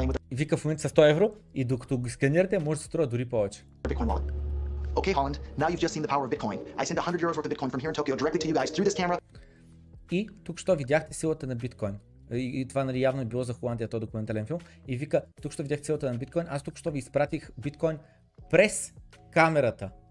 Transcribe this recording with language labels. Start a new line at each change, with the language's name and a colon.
Bulgarian: Вика в момента са 100 евро и докато ги сканирате може да се струва дори повече.
English: Okay, Holland, now you've just seen the power of Bitcoin. I send 100 euros worth of Bitcoin from here in Tokyo directly to you guys through this camera.
Bulgarian: И тук що видяхте силата на Bitcoin. И това нали явно е било за Холандия този документален филм. И вика, тук що видяхте силата на Bitcoin, аз тук що ви изпратих Bitcoin през камерата.